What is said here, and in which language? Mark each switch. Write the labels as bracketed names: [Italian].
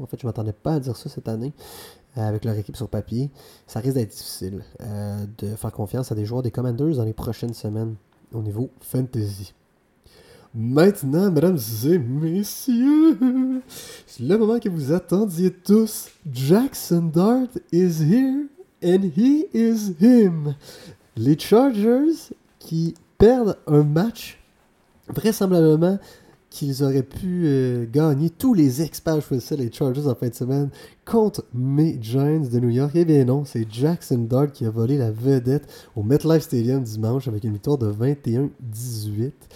[French] En fait, je ne m'attendais pas à dire ça cette année. Avec leur équipe sur papier, ça risque d'être difficile de faire confiance à des joueurs des Commanders dans les prochaines semaines au niveau fantasy. Maintenant, mesdames et messieurs, c'est le moment que vous attendiez tous. [English] Jackson Dart is here and he is him. [French] Les Chargers qui perdent un match vraisemblablement qu'ils auraient pu gagner tous les experts choisissaient les Chargers en fin de semaine contre mes Giants de New York. Eh bien non, c'est Jackson Dart qui a volé la vedette au MetLife Stadium dimanche avec une victoire de 21-18.